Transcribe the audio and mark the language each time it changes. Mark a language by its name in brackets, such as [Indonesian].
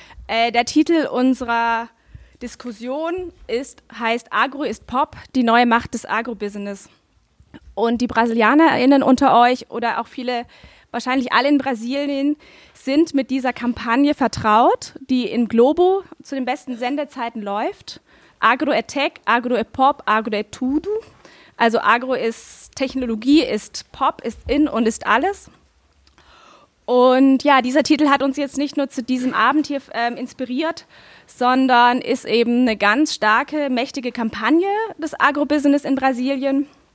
[German] Der Titel unserer Diskussion heißt Agro ist Pop, die neue Macht des Agrobusiness. Und die BrasilianerInnen unter euch oder auch viele, wahrscheinlich alle in Brasilien, sind mit dieser Kampagne vertraut, die in Globo zu den besten Sendezeiten läuft. [Portuguese] Agro é Tech, Agro é Pop, Agro é Tudo. [German] Also Agro ist Technologie, ist Pop, ist in und ist alles. Und ja, dieser Titel hat uns jetzt nicht nur zu diesem Abend hier inspiriert, sondern ist eben eine ganz starke, mächtige Kampagne des Agrobusiness in Brasilien.